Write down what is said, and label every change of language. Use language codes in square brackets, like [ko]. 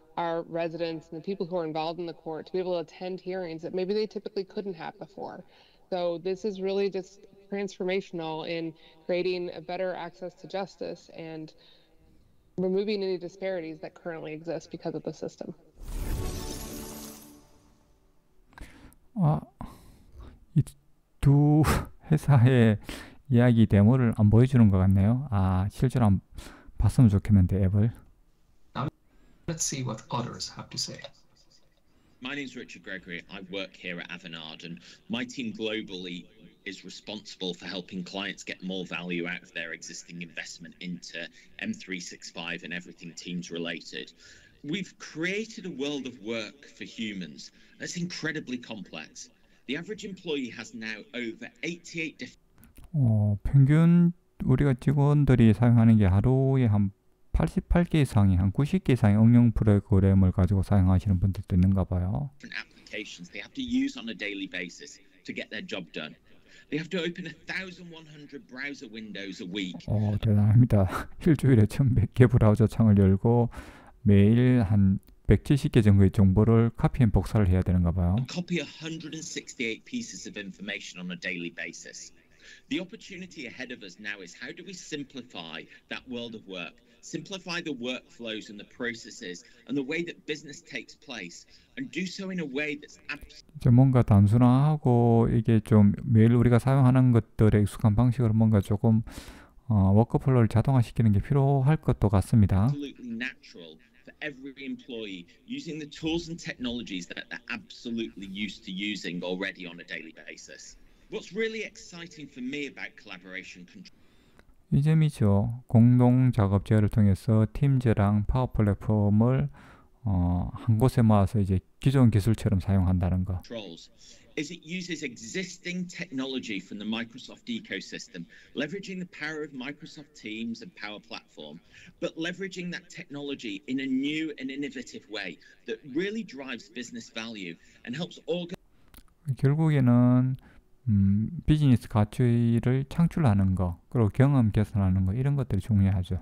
[en] our residents and the people who are involved in the court to be able to attend hearings that maybe they typically couldn't have before. So this is really just transformational in creating a better access to justice and removing any disparities that currently exist because of the system. [ko] 아, 이 두 회사의 이야기 데모를 안 보여주는 것 같네요. 아, 실제로 안 봤으면 좋겠는데 앱을. [en] Let's see what others have to say. My name is Richard Gregory. I work here at Avanade, and my team globally is responsible for helping clients get more value out of their existing investment into M365 and everything Teams related. We've created a world of work for humans that's incredibly complex. The average employee has now over 88 different... [ko] 평균 우리가 직원들이 사용하는 게 하루에 한 88개 이상이 한 90개 이상의 응용 프로그램을 가지고 사용하시는 분들도 있는가 봐요. [en] Different applications they have to use on a daily basis to get their job done. They have to open 1,100 browser windows a week. [ko] 대단합니다. 일주일에 1,100개 브라우저 창을 열고 매일 한 170개 정도의 정보를 [en] copy and [ko] 복사를 해야 되는가 봐요. [en] And copy 168 pieces of information on a daily basis. The opportunity ahead of us now is how do we simplify that world of work, simplify the workflows and the processes and the way that business takes place and do so in a way that's absolutely [ko] 뭔가 단순화하고 이게 좀 매일 우리가 사용하는 것들의 익숙한 방식으로 뭔가 조금 워크플로우를 자동화시키는 게 필요할 것도 같습니다. [en] Natural for every employee using the tools and technologies that they're absolutely used to using already on a daily basis. What's really exciting for me about collaboration control [ko] 이 점이죠. 공동 작업제어를 통해서 팀즈랑 파워 플랫폼을 한 곳에 모아서 이제 기존 기술처럼 사용한다는 거. [en] Controls. Is it uses existing technology from the Microsoft ecosystem, leveraging the power of Microsoft Teams and Power Platform, but leveraging that technology in a new and innovative way that really drives business value and helps organize. [ko] 결국에는 비즈니스 가치를 창출하는 거, 그리고 경험 개선하는 거 이런 것들이 중요하죠.